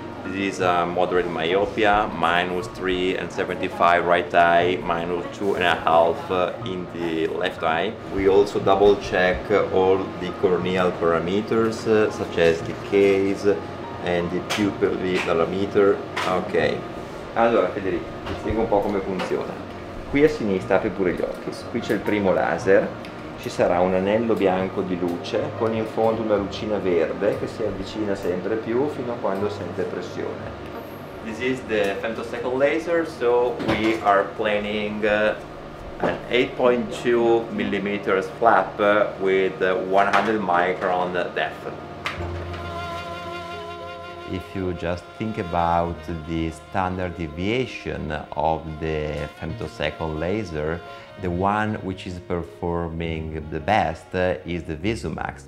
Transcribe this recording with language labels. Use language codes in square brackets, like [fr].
[en] This is a moderate myopia, minus 3 and 75 right eye, minus 2.5 in the left eye. We also double check all the corneal parameters, such as the K's and the pupil dilometer. Okay. [it] Allora Federico, ti spiego un po' come funziona. Qui a sinistra apri pure gli occhi. Qui c'è il primo laser. Ci sarà un anello bianco di luce con in fondo una lucina verde che si avvicina sempre più fino a quando sente pressione. [en] This is the femtosecond laser, so we are planning an 8.2 millimeters flap with 100 micron depth. If you just think about the standard deviation of the femtosecond laser, the one which is performing the best is the VisuMax.